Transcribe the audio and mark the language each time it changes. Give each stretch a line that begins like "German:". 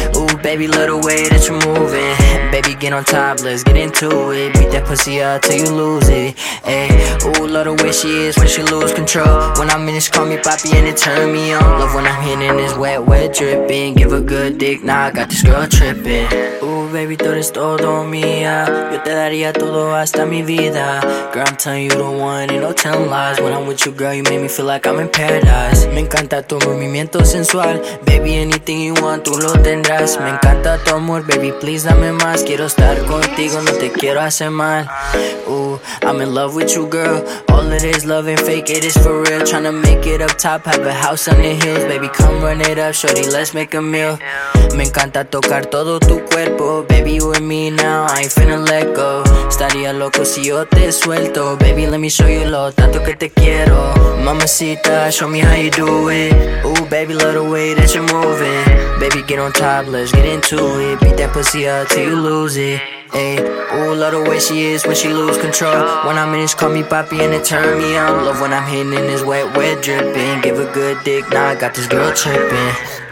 English: Ooh, baby, love the way that you're moving. Baby, get on top, let's get into it. Beat that pussy up till you lose it. Ayy, ooh, love the way she is when she lose control. When I'm in this, call me poppy and it turn me on. Love when I'm hitting this wet, wet dripping. Give a good dick, now I got this girl tripping.
Spanish: Ooh, baby, tú eres todo mía. Yo te daría todo hasta mi vida.
English: Girl, I'm telling you the one, ain't no telling lies. When I'm with you, girl, you make me feel like I'm in paradise.
Spanish: Me encanta tu movimiento sensual.
English: Baby, anything you want,
Spanish: tú lo tendrás. Me encanta tu amor,
English: baby, please
Spanish: dame más. Quiero estar contigo, no te quiero hacer mal.
English: Ooh, I'm in love with you, girl. All it is love and fake, it is for real. Tryna make it up top, have a house on the hills. Baby, come run it up, shorty, let's make a meal.
Spanish: Me encanta tocar todo tu cuerpo.
English: Baby, you with me now, I ain't finna let go.
Spanish: Estaría loco si yo te suelto.
English: Baby, let me show you
Spanish: lo tanto que te quiero.
English: Mamacita, show me how you do it. Ooh, baby, love the way that you're moving. Baby, get on top, let's get into it. Beat that pussy up till you lose it. Ayy, ooh, love the way she is when she lose control. When I'm in this, call me poppy and it turn me on. Love when I'm hitting in this wet, wet dripping. Give a good dick, now I got this girl tripping.